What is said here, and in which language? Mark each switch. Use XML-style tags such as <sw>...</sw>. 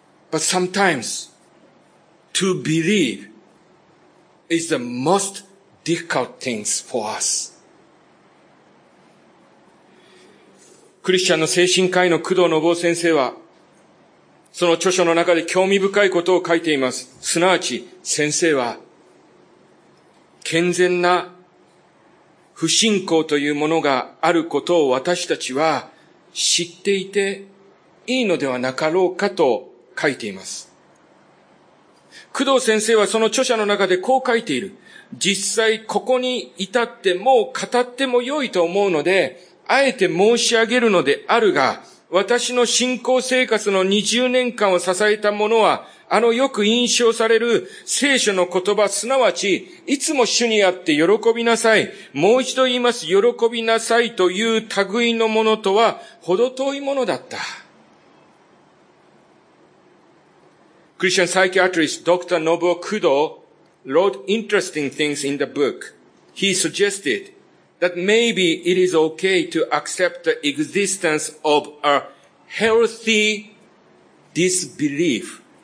<en>But sometimes, to believeIs the most difficult things for us.</en> <ja>クリスチャンの精神科医の工藤信夫先生は、その著書の中で興味深いことを書いています。すなわち、先生は、健全な不信仰というものがあることを私たちは知っていていいのではなかろうかと書いています。工藤先生はその著者の中でこう書いている。実際ここに至ってもう語っても良いと思うので、あえて申し上げるのであるが、私の信仰生活の20年間を支えたものは、あのよく印象される聖書の言葉、すなわち、いつも主にあって喜びなさい。もう一度言います、喜びなさいという類のものとは、ほど遠いものだった。</ja> <en>Christian psychiatrist Dr. Nobuo Kudo wrote interesting things in the book. He suggested that maybe it is okay to accept the existence of a healthy disbelief.</en>